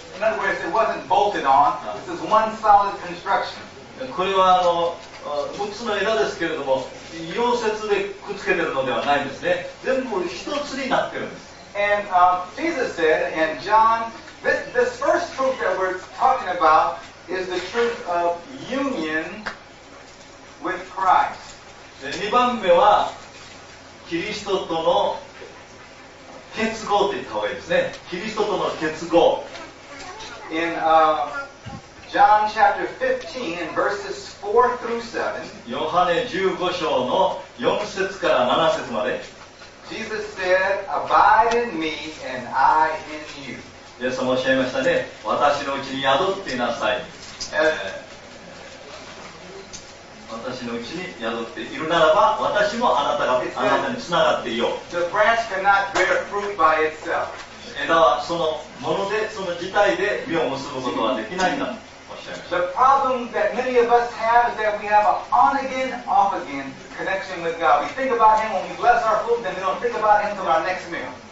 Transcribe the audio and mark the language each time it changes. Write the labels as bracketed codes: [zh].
[en] In other words, it wasn't bolted on. This is one solid construction. [ja] これは6つの枝ですけれども、溶接でくっつけてるのではないんですね。全部一つになってるんです。 [en] And Jesus said, and John, this first truth that we're talking aboutis the truth of union with Christ. [ja] 2番目はキリストとの結合って言った方がいいですね。キリストとの結合。 [en] In John chapter 15 in verses 4 through 7, [ja] ヨハネ15章の4節から7節まで、 [en] Jesus said, Abide in me and I in you. [ja] イエス様おっしゃいましたね。私のうちに宿っていなさい。私のうちに宿っているならば、私もあなたにつながっていよう。 [en] The branch cannot bear fruit by itself. [ja] 枝はそのものでその自体で実を結ぶことはできないんだとおっしゃいました。 [en] The problem that many of us have is that we have an on again, off again connection with God. We think about Him when we bless our food, then we don't think about Him till our next meal.